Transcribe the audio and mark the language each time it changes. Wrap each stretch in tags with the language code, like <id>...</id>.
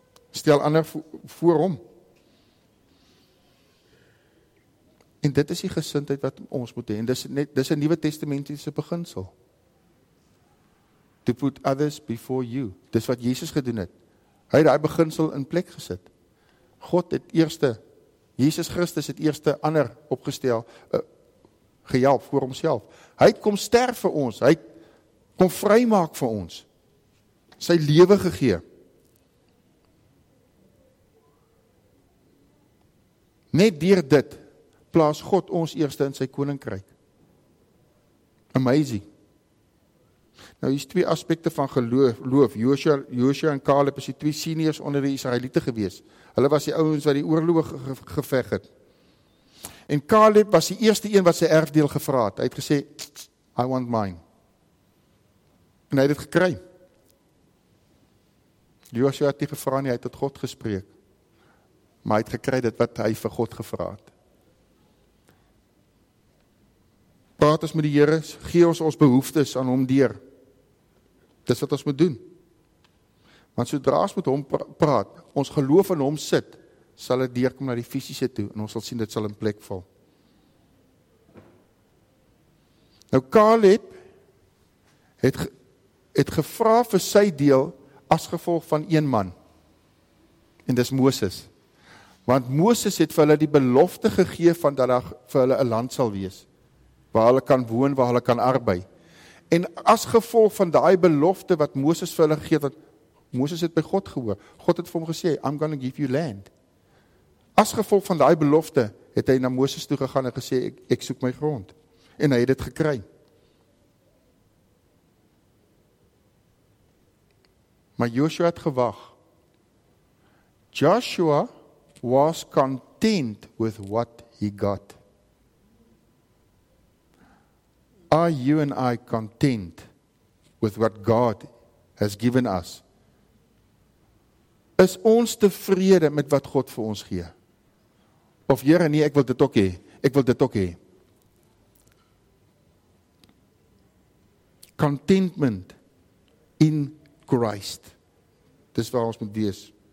<af>Stel ander voor hom. En dit is die gesindheid wat ons moet hê en dis 'n Nuwe Testamentiese beginsel.</af> <en>to put others before you.</en> <af>Dis wat Jesus gedoen het. Hy het daai beginsel in plek gesit. God het eerste, Jesus Christus het eerste ander opgestel, gehelp voor homself. Hy het kom sterf vir ons, hy het kom vrymaak vir ons. Sy lewe gegee. Net deur dit plaas God ons eerste in sy koninkryk. Amazing. Nou hier is twee aspekte van geloof. Josua en Caleb is die twee seniors onder die Israeliete gewees. Hulle was die ouens wat die oorlog geveg het. En Caleb was die eerste een wat sy erfdeel gevra het. Hy het gesê,</af> <en>I want mine.</en> <af>En hy het gekry. Josua het nie gevra nie, hy het tot God gespreek. Maar hy het gekry dit wat hy vir God gevra het. Praat ons met die Here, gee ons ons behoeftes aan hom deur. Dis wat ons moet doen. Want sodra ons met hom praat, ons geloof in hom sit, sal het deurkom na die fisiese toe en ons sal sien dit sal in plek val. Nou Caleb het gevra vir sy deel as gevolg van een man. En dis Moses. Want Moses het vir hulle die belofte gegee van dat daar vir hulle 'n land sal wees. Waar hulle kan woon, waar hulle kan arbei. En as gevolg van daai belofte wat Moses vir hulle gegee het, Moses het by God gehoor. God het vir hom gesê,</af> <en>I'm going to give you land.</en> <af>As gevolg van daai belofte, het hy na Moses toe gegaan en gesê, ek soek my grond. En hy het dit gekry. Maar Joshua het gewag.</af> <en>Joshua was content with what he got. Are you and I content with what God has given us?</en> <af>Is ons tevrede met wat God vir ons gee? Of Here, nee, ek wil dit ook hê. Ek wil dit ook hê.</af> <en>Contentment in Christ.</en> <af>Dis waar ons moet wees.</af>